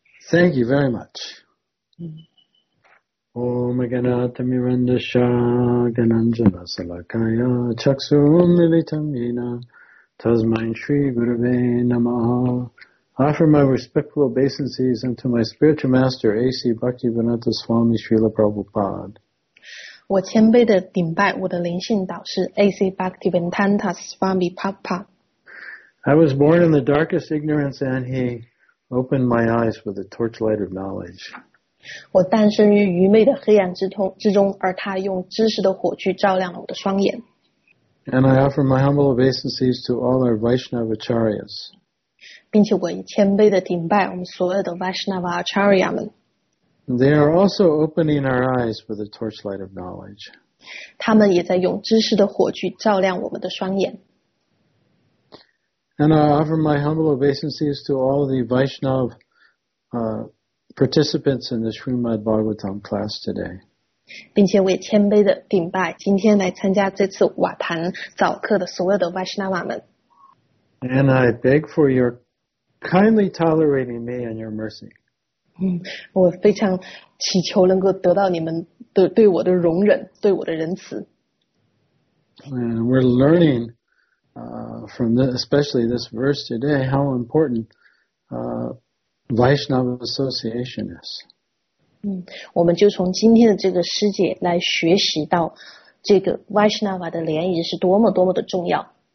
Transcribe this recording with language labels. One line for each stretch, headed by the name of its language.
English: Thank you very much.
Sanskrit: Om Aganata Mirandasha Gananjana Salakaya Chaksurum Militam Yena Tasmain Shri Gurave Namaha.
English: Offer my respectful obeisances unto my spiritual master A.C. Bhaktivinoda Swami Srila Prabhupada.
Chinese: 我谦卑地顶拜我的灵性导师 A.C.
English: Bhaktivinoda Swami Prabhupada. I was born in the darkest ignorance and he opened my eyes with the torchlight of knowledge.
Chinese: 我诞生于愚昧的黑暗之中，而他用知识的火炬照亮了我的双眼。
English: And I offer my humble obeisances to all our Vaishnava Acharyas.
Chinese: 并且我以谦卑的顶拜我们所有的 Vaishnava Acharya 们。
English: They are also opening our eyes with the torchlight of knowledge.
Chinese: 他们也在用知识的火炬照亮我们的双眼。
English: And I offer my humble obeisances to all the Vaishnava participants in the Srimad Bhagavatam class today.
Chinese: 并且我也谦卑的顶拜今天来参加这次瓦坛早课的所有的 Vaishnava 们。
English: And I beg for your kindly tolerating me and your mercy.
Chinese: 我非常祈求能够得到你们的对我的容忍，对我的仁慈。
English: And we're learning, from the, especially this verse today, how important, Vaishnava association is.
Chinese: 我们就从今天的这个师姐来学习到这个 Vaishnava 的联谊是多么多么的重要。